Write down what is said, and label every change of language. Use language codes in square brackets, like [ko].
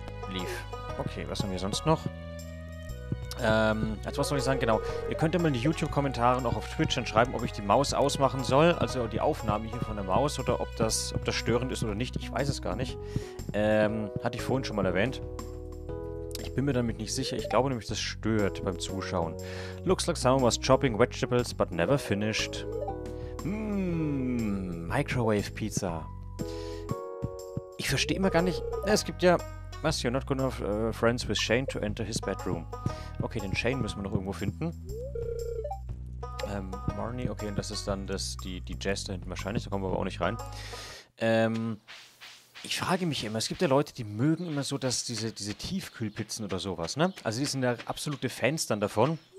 [de] Leaf. Okay, was haben wir sonst noch? Also was soll ich sagen? Genau, ihr könnt ja mal in die YouTube-Kommentare und auch auf Twitch dann schreiben, ob ich die Maus ausmachen soll, also die Aufnahme hier von der Maus, oder ob das störend ist oder nicht, ich weiß es gar nicht. Hatte ich vorhin schon mal erwähnt. Ich bin mir damit nicht sicher, ich glaube nämlich, das stört beim Zuschauen. [en] Looks like someone was chopping vegetables, but never finished. Microwave Pizza. [de] Ich verstehe immer gar nicht, es gibt ja... [en] Was, you're not good enough friends with Shane to enter his bedroom. [de] Okay, den Shane müssen wir noch irgendwo finden. Marnie, okay, und das ist dann die Jazz da hinten wahrscheinlich, da kommen wir aber auch nicht rein. Ich frage mich immer, es gibt ja Leute, die mögen immer so, dass diese Tiefkühlpizzen oder sowas, ne? Also die sind ja absolute Fans dann davon.